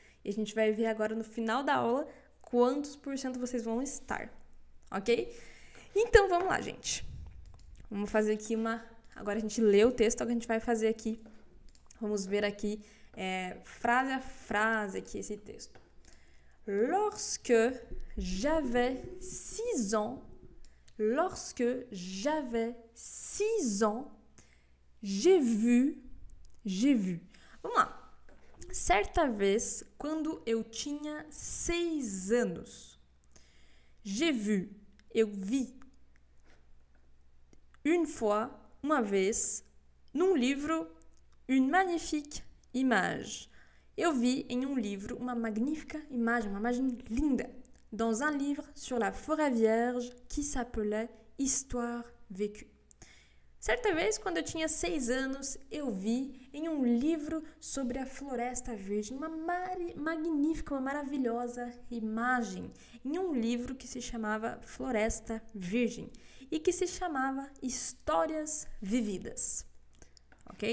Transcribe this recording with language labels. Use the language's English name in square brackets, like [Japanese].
[Portuguese] E a gente vai ver agora no final da aula quantos por cento vocês vão estar, ok? Então, vamos lá, gente. Vamos fazer aqui uma. Agora a gente lê o texto, agora a gente vai fazer aqui. Vamos ver aqui, frase a frase aqui esse texto. [French] Lorsque j'avais 6 ans, j'ai vu. [Portuguese] Vamos lá. Certa vez, quando eu tinha 6 anos, [French] j'ai vu, [Portuguese] eu vi. [French] Une fois. [Portuguese] Uma vez, num livro, [French] une magnifique image. [Portuguese] Eu vi em um livro uma magnífica imagem, uma imagem linda. [French] Dans un livre sur la forêt vierge qui s'appelait Histoire vécue. [Portuguese] Certa vez, quando eu tinha 6 anos, eu vi em um livro sobre a floresta virgem uma magnífica, uma maravilhosa imagem. Em um livro que se chamava Floresta Virgem. E que se chamava Histórias Vividas. Ok?